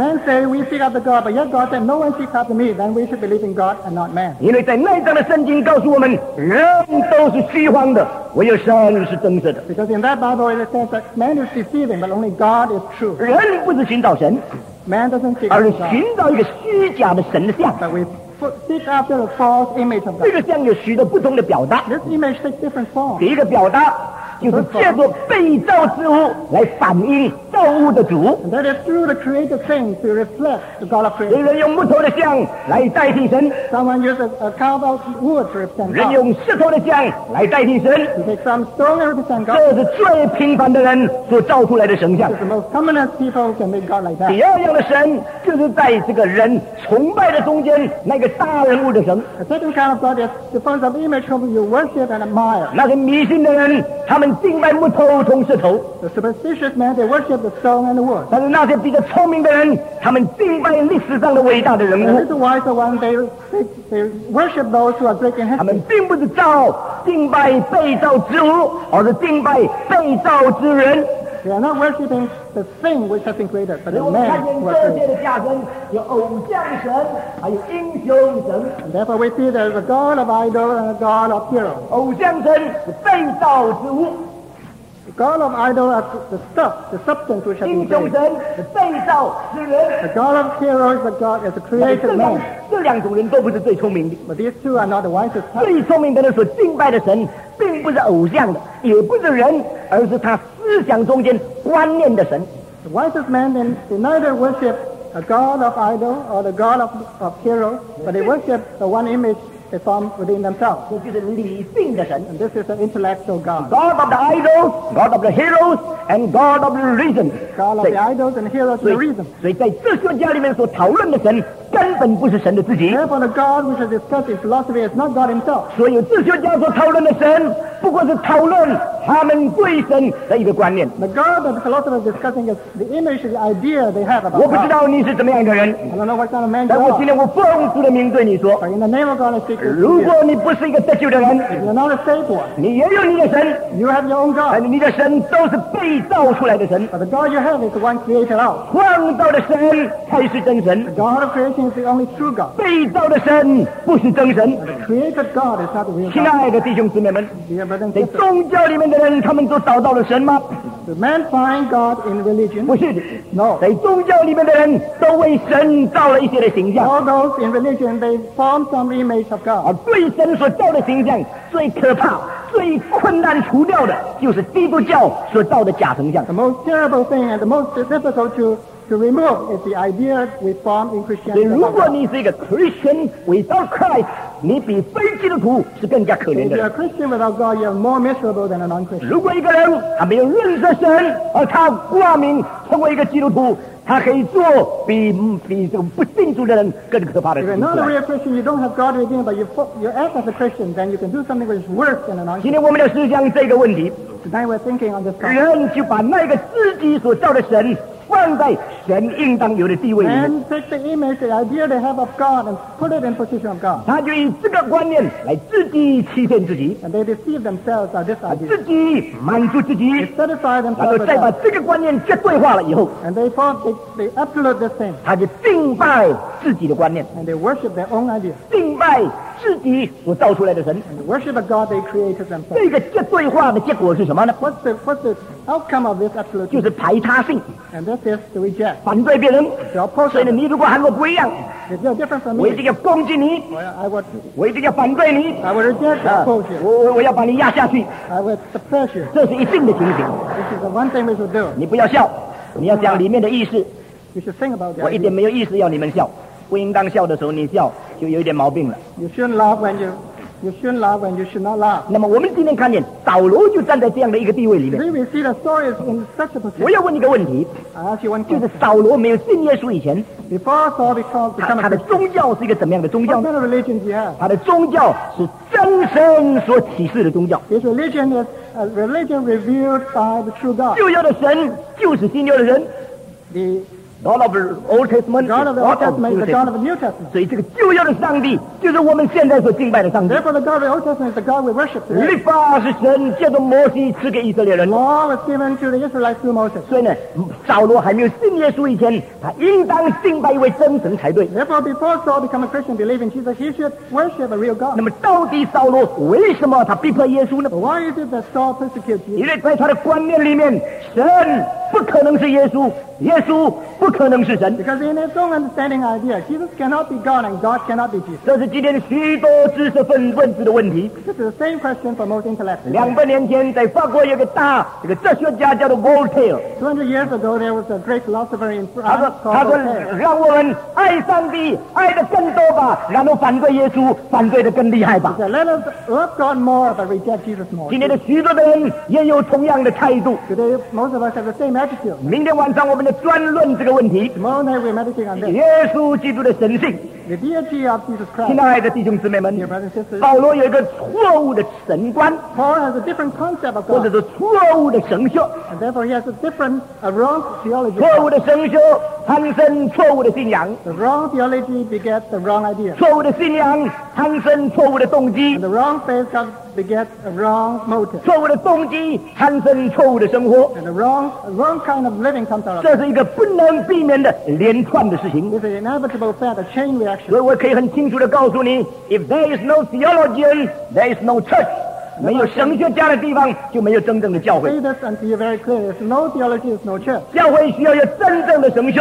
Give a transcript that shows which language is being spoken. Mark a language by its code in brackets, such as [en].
[en] If men say we seek after God, but yet God said no one seeks after me, then we should believe in God and not man. [zh] 因为在那一章的圣经告诉我们，人都是虚妄的。唯有神是真实的。 [en] Because in that Bible it says that man is deceiving, but only God is true. [zh] 人不是寻找神， [en] man doesn't seek after God, [zh] 而是寻找一个虚假的神像。 [en] But we seek after a false image of God. [zh] 这个像有许多不同的表达。 [en] This image takes different forms. [zh] 第一个表达就是借助被造之物来反映造物的主。 [en] And that is through the created thing to reflect the God of creation. [zh] 有人用木头的像来代替神。 [en] Someone uses a carved out wood to represent God. [zh] 人用石头的像来代替神。 [en] You take some stone and represent God. [zh] 这是最平凡的人所造出来的神像。 [en] It's the most commonest people can make God like that. [zh] 第二样的神就是在这个人崇拜的中间那个大人物的神。 [en] The second kind of God is the form of image whom you worship and admire. [zh] 那些迷信的人他们敬拜木头同石头。 [en] The superstitious man, they worship the stone and the wood. [zh] 但是那些比较聪明的人他们敬拜历史上的伟大的人物。 [en] The wiser ones, they worship those who are great in history. [zh] 他们并不是造敬拜被造之物，而是敬拜被造之人。 [en] They are not worshipping the thing which has been created, but the man who has created. And therefore we see there is a God of idols and a God of heroes. The God of idols is the stuff, the substance which has been created. The God of heroes is the God as a created man. But these two are not the wisest. [zh] 最聪明的人所敬拜的神并不是偶像的，也不是人，而是他思想中间观念的神。 [en] The wisest man then they neither worship a god of idol or the god of hero, but they worship the one image they form within themselves. [zh] 这就是理性的神。 [en] And this is an intellectual god. God of the idols, god of the heroes, and god of the reason. God of the idols and heroes of the reason. [zh] 所以在哲学家里面所讨论的神根本不是神的自己。 [en] Therefore, the God which is discussed in philosophy is not God himself. [zh] 所有哲学家所讨论的神不过是讨论他们对神的一个观念。 [en] The God that the philosopher is discussing is the image, the idea they have about God. [zh] 我不知道你是怎么样的人。 [en] I don't know what kind of man you are. [zh] 但我今天我奉主的名对你说。 [en] But in the name of God, I speak to you. [zh] 如果你不是一个得救的人。 [en] You're not a saved one. [zh] 你也有你的神。 [en] You have your own God. [zh] 但你的神都是被造出来的神。 [en] But the God you have is the one created out. [zh] 创造的神才是真神。 [en] The God of creation is the only true God. [zh] 被造的神不是真神。 [en] The created God is not the real God. [zh] 亲爱的弟兄姊妹们。在宗教里面的人他们都找到了神吗？ [en] The man find God in religion? [zh] 不是的。 [en] No. [zh] 在宗教里面的人都为神造了一些的形象。 [en] All those in religion, they form some image of God. [zh] 而对神所造的形象最可怕最困难除掉的就是基督教所造的假形象。 [en] The most terrible thing and the most difficult to remove is the idea we form in Christianity. [zh] 所以如果你是一个 [en] Christian without Christ, [zh] 你比非基督徒是更加可怜的。 [en] If you are a Christian without God, you are more miserable than a non-Christian. [zh] 如果一个人他没有认识神，而他挂名成为一个基督徒，他可以做比这个不信主的人更可怕的事 [en] 情。 If you're not a real Christian, you don't have God within, but you act as a Christian, then you can do something which is worse than a non-Christian. [zh] 今天我们要思想这个问题。 [en] Tonight we're thinking on this topic. [zh] 人就把那个自己所造的神放在神应当有的地位里面。 [en] And take the image, the idea they have of God, and put it in position of God. [zh] 他就以这个观念来自己欺骗自己。 [en] And they deceive themselves by this idea. [zh] 自己满足自己。 [en] They satisfy themselves. [zh] 然后再把这个观念绝对化了以后。 [en] And they form the absolute this thing. [zh] 他就敬拜自己的观念。 [en] And they worship their own idea. [zh] 敬拜自己所造出来的神。 [en] And worship a God they created themselves. [zh] 这个绝对化的结果是什么呢？ [en] What's the outcome of this absolute thing? [zh] 就是排他性。 [en] And this is to reject. [zh] 反对别人。 [en] To oppose. [zh] 所以你如果和我不一样。 [en] If you're different from me. [zh] 我一定要攻击你。我一定要反对你。 [en] I will reject and oppose you. [zh] 我要把你压下去。 [en] I will suppress you. [zh] 这是一定的情形。 [en] This is the one thing we should do. [zh] 你不要笑。你要讲里面的意思。 [en] You should think about that. [zh] 我一点没有意思要你们笑。不应当笑的时候你笑就有一点毛病了。 [en] You shouldn't laugh when you should not laugh. [zh] 那么我们今天看见扫罗就站在这样的一个地位里面。 [en] We see the story is in such a position. [zh] 我要问一个问题。 [en] I ask you one question. [zh] 就是扫罗没有信耶稣以前。 [en] Before Saul became a Christian. [zh] 他的宗教是一个怎么样的宗教？ [en] What kind of religion do you have? [zh] 他的宗教是真神所启示的宗教。 [en] His religion is a religion revealed by the true God. [zh] 旧约的神就是新约的人。 [en] The God of the Old Testament, God of the Old Testament is the God of the New Testament. [zh] 所以这个旧约的上帝就是我们现在所敬拜的上帝。 [en] Therefore, the God of the Old Testament is the God we worship today. [zh] 律法是神借着摩西赐给以色列人。 [en] Law was given to the Israelites through Moses. [zh] 所以呢，扫罗还没有信耶稣以前，他应当敬拜一位真神才对。 [en] Therefore, before Saul became a Christian, believing Jesus, he should worship a real God. [zh] 那么到底扫罗为什么他逼迫耶稣呢？ [en] But why is it that Saul persecuted Jesus? [zh] 因为在他的观念里面，神不可能是耶稣，耶稣不可能是神。 [en] Because in his own understanding idea, Jesus cannot be God and God cannot be Jesus. [zh] 这是今天许多知识分子问的问题。 [en] This is the same question for most intellectuals. [zh] 200年前，在法国有个大这个哲学家叫做 Voltaire. [en] 200 years ago, there was a great philosopher in France called Voltaire. [zh] 他说：“让我们爱上帝爱的更多吧，然后反对耶稣反对的更厉害吧。” [en] He said, "Let us love God more, but reject Jesus more." [zh] 今天的许多的人也有同样的态度。 [en] Today, most of us have the same attitude. [zh] 明天晚上我们就专论这个问题。 [en] Tomorrow night we're meditating on this. [zh] 耶稣基督的神性。 [en] The deity of Jesus Christ. [zh] 亲爱的弟兄姊妹们， [en] Dear brothers and sisters, [zh] 保罗有一个错误的神观。 [en] Paul has a different concept of God. [zh] 或者是错误的神学。 [en] And therefore he has a different, a wrong theology. [zh] 错误的神学产生错误的信仰。 [en] The wrong theology begets the wrong idea. [zh] 错误的信仰产生错误的动机。 [en] And the wrong faith comes. Beget a wrong motive. [zh] 错误的动机产生错误的生活。 [en] And a wrong kind of living comes out of it. [zh] 这是一个不能避免的连串的事情。 [en] It's an inevitable fact, a chain reaction. [zh] 所以我可以很清楚地告诉你， [en] If there is no theologian, there is no church. [zh] 没有神学家的地方，就没有真正的教会。 [en] Say this and be very clear. There's no theology, there's no church. [zh] 教会需要有真正的神学。